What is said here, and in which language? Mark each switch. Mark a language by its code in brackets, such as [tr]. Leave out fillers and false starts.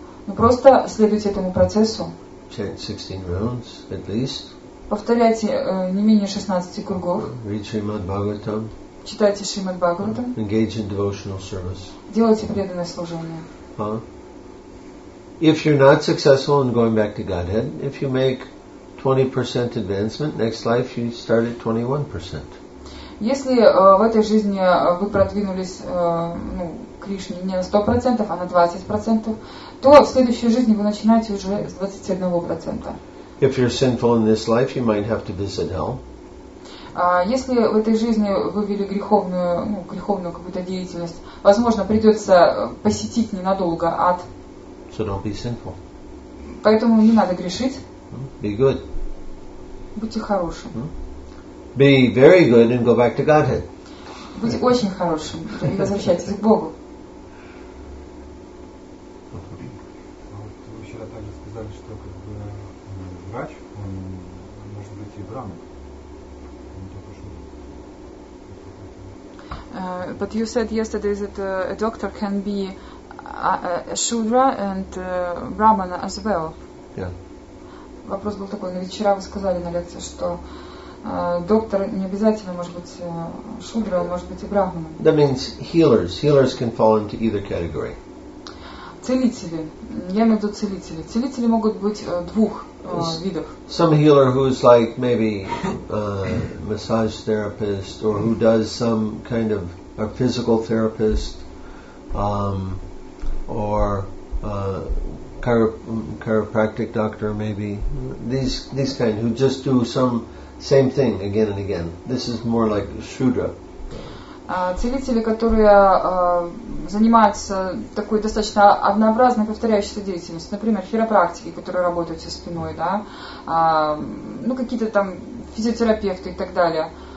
[ru] Ну, просто следуйте этому процессу. [en] Chant 16 rounds, at least. [ru] Повторяйте не менее 16 кругов. [en] Read Shrimad Bhagavatam. [ru] Читайте Шримад Бхагаватам. [en] Engage in devotional service. [ru] Делайте преданное служение. [en] If you're not successful in going back to Godhead, if you make 20% advancement, next life you start at 21%. [ru] Если в этой жизни вы продвинулись ну, к Кришне не на 100%, а на 20%, то в следующей жизни вы начинаете уже с 21%. [en] If you're sinful in this life, you might have to visit hell. [ru] Если в этой жизни вы вели греховную, ну, греховную какую-то деятельность, возможно, придется посетить ненадолго ад. [en] So don't be sinful. [ru] Поэтому не надо грешить. [en] Be good. [ru] Будьте хорошим. [en] Be very good and go back to Godhead. [ru] Будьте очень хорошим и возвращайтесь к Богу. Вы вчера также сказали, что как бы врач, он может быть и брамин. [en] But you said yesterday that a doctor can be a shudra and brahmana as well. Yeah. [ru] Вопрос был такой, но вчера вы сказали на лекции, что доктор не обязательно может быть шудра, он может быть и брахманом. [en] That means healers. Healers can fall into either category. [ru] Целители. Я имею в виду целители. Целители могут быть двух видов. [en] Some healer who is like maybe a massage therapist or who does some kind of a physical therapist or chiropractic doctor maybe. These kind who just do some same thing again and again. This is more like shudra. [ru] Целители, которые занимаются такой достаточно однообразной повторяющейся деятельностью, например, хиропрактики, которые работают со спиной, да, ну какие-то там физиотерапевты и так далее.